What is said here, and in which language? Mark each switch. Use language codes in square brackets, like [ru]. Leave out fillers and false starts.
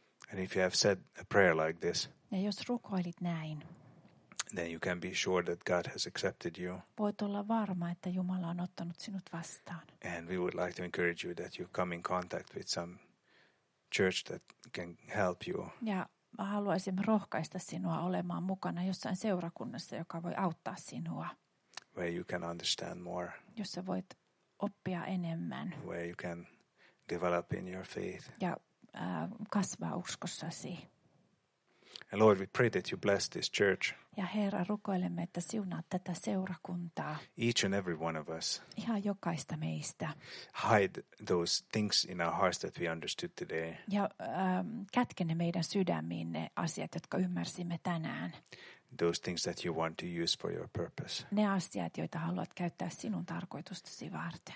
[en] And if you have said a prayer like this. [fi] Ja jos rukoilit näin. [en] then you can be sure that God has accepted you. [fi] Voit olla varma, että Jumala on ottanut sinut vastaan. [en] And we would like to encourage you that you come in contact with some church that can help you. [fi] Ja haluaisin rohkaista sinua olemaan mukana jossain seurakunnassa, joka voi auttaa sinua. [en] Where you can understand more. [fi] Jossa voit oppia enemmän. [en] Where you can develop in your faith. [fi] Ja kasvaa uskossasi. [en] And Lord, we pray that you bless this church. [fi] Ja Herra, rukoilemme, että siunaat tätä seurakuntaa. [en] Each and every one of us. [fi] Ihan jokaista meistä. [en] Hide those things in our hearts that we understood today. [fi] Ja kätke ne meidän sydämiin ne asiat, jotka ymmärsimme tänään. [en] Those things that you want to use for your purpose. [fi] Ne asiat, joita haluat käyttää sinun tarkoitustasi varten.